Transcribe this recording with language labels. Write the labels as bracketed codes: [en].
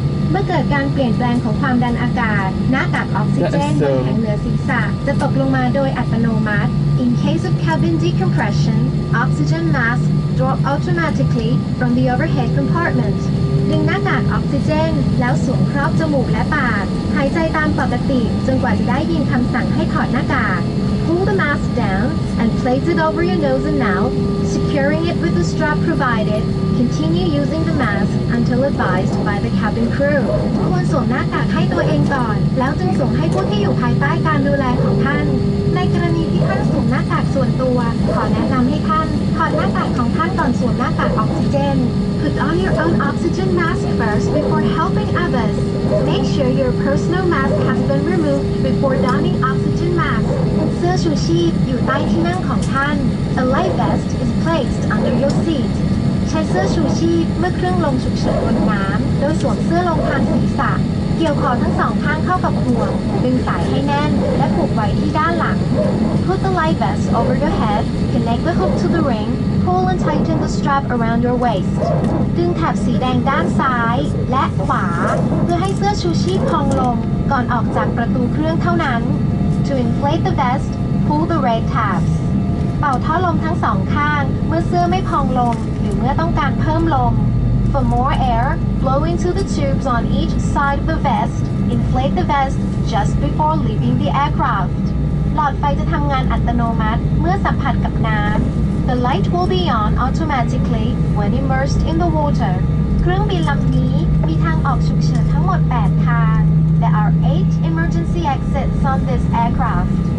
[th] เมื่อเกิดการเปลี่ยนแปลงของความดันอากาศหน้ากากออกซิเจนบนแผ่นเหนือศีรษะจะตกลงมาโดยอัตโนมัติ [en] In case of cabin decompression, oxygen mask drop automatically from the overhead compartment [th] ดึงหน้ากากออกซิเจนแล้วสวมครอบจมูกและปากหายใจตามปกติจนกว่าจะได้ยินคำสั่งให้ถอดหน้ากาก [en] Pull the mask down and place it over your nose and mouth, securing it with the strap provided. Continue using the mask until advised by the cabin crew. [th] ควรสวมหน้ากากให้ตัวเองก่อนแล้วจึงส่งให้ผู้ที่อยู่ภายใต้การดูแลของท่านในกรณีที่ท่านสวมหน้ากากส่วนตัวขอแนะนำให้ท่านถอดหน้ากากของท่านก่อนสวมหน้ากากออกซิเจน [en] Put on your own oxygen mask first before helping others. Make sure your personal mask has been removed before donning oxygen mask. [th] เสื้อชูชีพอยู่ใต้ที่นั่งของท่าน [en] A life vest is placed under your seat. [th] ใช้เสื้อชูชีพเมื่อเครื่องลงฉุกเฉินบนน้ำโดยสวมเสื้อลงพันศีรษะเกี่ยวคอทั้งสองข้างเข้ากับห่วงดึงสายให้แน่นและผูกไว้ที่ด้านหลัง [en] Put the life vest over your head. Connect the hook to the ring. pull and tighten the strap around your waist. [th] ดึงแถบสีแดงด้านซ้ายและขวาเพื่อให้เสื้อชูชีพพองลงก่อนออกจากประตูเครื่องเท่านั้น [en] To inflate the vest, pull the red tabs. [th] เป่าท่อลมทั้งสองข้างเมื่อเสื้อไม่พองลงหรือเมื่อต้องการเพิ่มลม [en] For more air, blow into the tubes on each side of the vest. Inflate the vest just before leaving the aircraft. [th] หลอดไฟจะทำงานอัตโนมัติเมื่อสัมผัสกับน้ำ [en] The light will be on automatically when immersed in the water. [th] เครื่องบินลำนี้มีทางออกฉุกเฉินทั้งหมด8ทาง [en] There are 8 emergency exits on this aircraft.